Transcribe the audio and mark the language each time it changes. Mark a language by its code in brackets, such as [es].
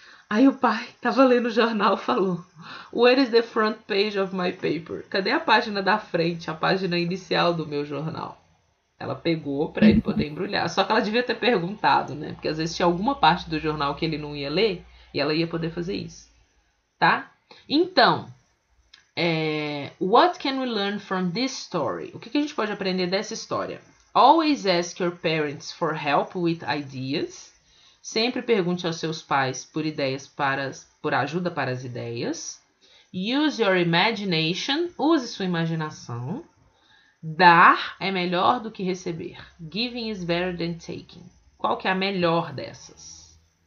[pt] Aí o pai estava lendo o jornal e falou, [en] where is the front page of my paper? [pt] Cadê a página da frente, a página inicial do meu jornal? Ela pegou para ele poder embrulhar. Só que ela devia ter perguntado, né? Porque às vezes tinha alguma parte do jornal que ele não ia ler e ela ia poder fazer isso. Tá? [en] Então, what can we learn from this story? [pt] O que, que a gente pode aprender dessa história? [en] Always ask your parents for help with ideas. [pt] Sempre pergunte aos seus pais por ideias por ajuda para as ideias. [en] Use your imagination. [pt] Use sua imaginação. Dar é melhor do que receber. [en] Giving is better than taking. [pt] Qual que é a melhor dessas?